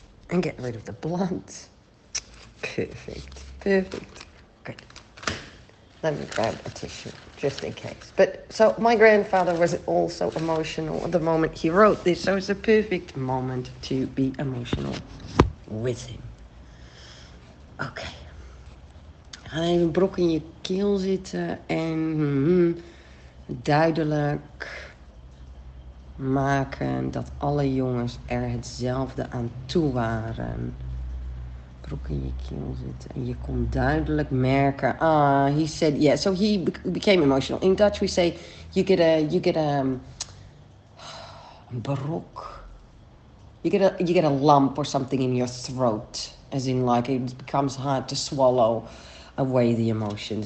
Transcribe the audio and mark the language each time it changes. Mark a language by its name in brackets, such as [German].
[English] And get rid of the blood. Perfect. Perfect. Good. Let me grab a tissue, just in case. But, so, my grandfather was also emotional the moment he wrote this. So, it's a perfect moment to be emotional with him. Okay. [Dutch] Hij heeft een brok in je keel zitten. En duidelijk maken dat alle jongens er hetzelfde aan toe waren. Brok in je keel zitten. En je kon duidelijk merken. [English] Ah, he said, yeah, so he became emotional. In Dutch we say, you get a lump or something in your throat. As in, like, it becomes hard to swallow away the emotions.